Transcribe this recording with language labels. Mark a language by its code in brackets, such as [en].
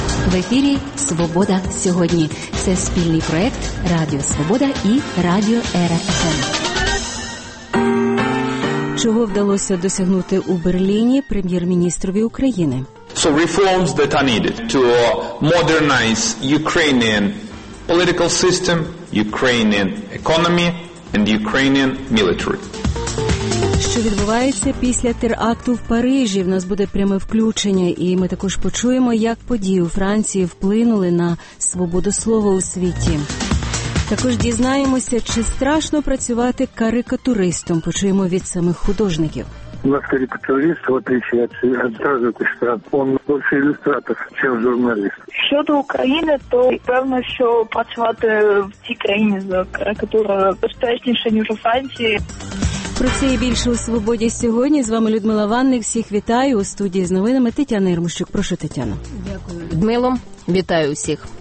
[uk] В ефірі «Свобода сьогодні». Це спільний проєкт «Радіо Свобода» і «Радіо РФМ». Чого вдалося досягнути у Берліні прем'єр-міністрові України? [en] So reforms that are needed to modernize Ukrainian political system, Ukrainian economy and Ukrainian military. [uk] Що відбувається після теракту в Парижі? В нас буде пряме включення, і ми також почуємо, як події у Франції вплинули на свободу слова у світі. Також дізнаємося, чи страшно працювати карикатуристом. Почуємо від самих художників. [ru] У нас карикатурист, в отличие от журналиста, он больше иллюстратор, чем журналист. [uk] Щодо України, то певно, що працювати в цій країні за карикатура безпечніше, ніж у Франції. Про це і більше у «Свободі сьогодні». З вами Людмила Ванник. Всіх вітаю у студії з новинами Тетяна Ярмощук. Прошу, Тетяна. Дякую. Людмило, вітаю всіх.